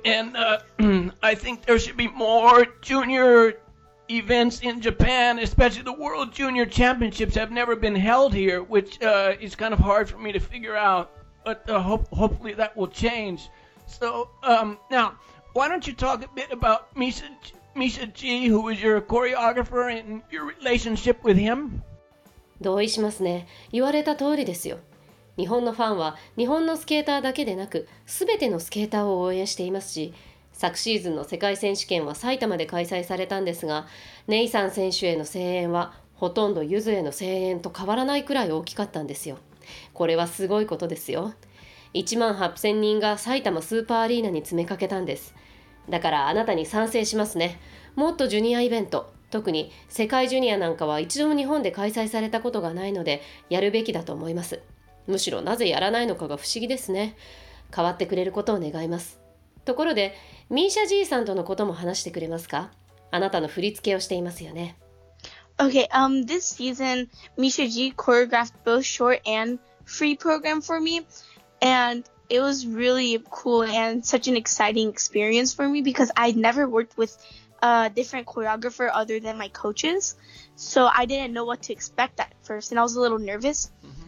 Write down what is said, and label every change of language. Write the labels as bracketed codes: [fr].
[en] And I think there should be more junior events in Japan, especially the World Junior Championships have never been held here, which is kind of hard for me to figure out. But hopefully that will change. So, now, why don't you talk a bit about Misha G, who was your choreographer, and your relationship with him? [ja] 同意しますね。言われた通りですよ。日本のファンは日本のスケーターだけでなく、すべてのスケーターを応援していますし、昨シーズンの世界選手権は埼玉で開催されたんですが、ネイサン選手への声援はほとんどユズへの声援と変わらないくらい大きかったんですよ。これはすごいことですよ。1万8000人が埼玉スーパーアリーナに詰めかけたんです。だからあなたに賛成しますね。もっとジュニアイベント、特に世界ジュニアなんかは一度も日本で開催されたことがないのでやるべきだと思います。むしろなぜやらないのかが不思議ですね。変わってくれることを願います。ところでミーシャじいさんとのことも話してくれますか。あなたの振り付けをしていますよね。 [en] Okay, this season, Misha G choreographed both short and free program for me, and it was really cool and such an exciting experience for me because I'd never worked with a different choreographer other than my coaches, so I didn't know what to expect at first, and I was a little nervous. Mm-hmm.